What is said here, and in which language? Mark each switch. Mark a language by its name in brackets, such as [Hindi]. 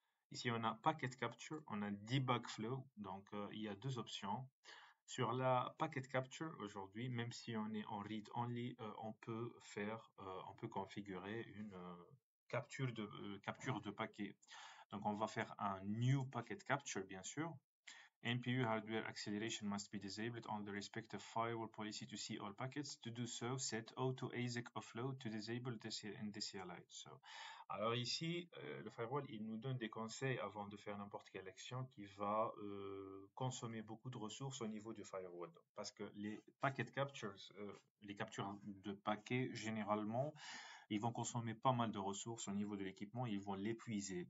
[French] Ici, on a Packet Capture, on a Debug Flow, donc il y a deux options. Sur la Packet Capture, aujourd'hui, même si on est en read-only, on peut configurer une capture de paquets. Donc, on va faire un New Packet Capture, bien sûr. [English] NPU hardware acceleration must be disabled on the respective firewall policy to see all packets. To do so, set auto ASIC offload to disable DC and DCLI. [French] So, alors ici, le firewall, il nous donne des conseils avant de faire n'importe quelle action qui va consommer beaucoup de ressources au niveau du firewall. Parce que les packet captures, les captures de paquets, généralement, ils vont consommer pas mal de ressources au niveau de l'équipement, ils vont l'épuiser.